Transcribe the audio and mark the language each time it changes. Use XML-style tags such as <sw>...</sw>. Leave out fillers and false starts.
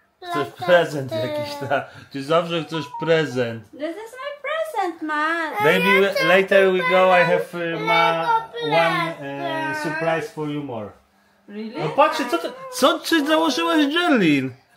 <pl>Chcesz prezent jakiś, tak? Ty zawsze chcesz prezent.</pl> <en>This is my present, man. Maybe later we go, I have one surprise for you more. Really?</en> <pl>No patrz, co ty założyłeś, Jerlin?</pl>